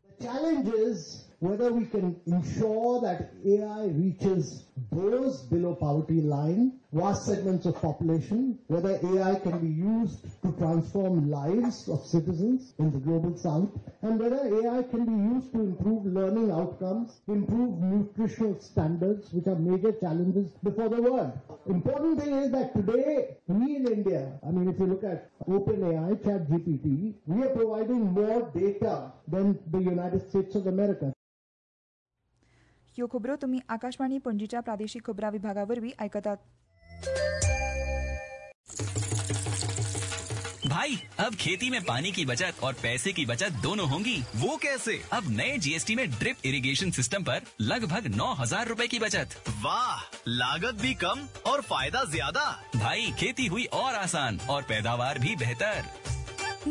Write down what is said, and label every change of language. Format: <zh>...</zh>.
<en>Challenges whether we can ensure that AI reaches those below poverty line, vast segments of population, whether AI can be used to transform lives of citizens in the global south, and whether AI can be used to improve learning outcomes, improve nutritional standards, which are major challenges before the world. Important thing is that today, we in India, I mean, if you look at OpenAI, ChatGPT, we are providing more data than the United States of America.</en> <gom>ह्यो खबरो तुम्ही आकाशवाणी पणजीच्या प्रादेशिक खबरां विभागावरवी ऐकतात.</gom> <hi>भाई अब खेती में पानी की बचत और पैसे की बचत दोनों होंगी। वो कैसे? अब नए जीएसटी में ड्रिप इरिगेशन सिस्टम पर लगभग 9,000 रुपए की बचत। वाह, लागत भी कम और फायदा ज्यादा। भाई खेती हुई और आसान और पैदावार भी बेहतर।</hi>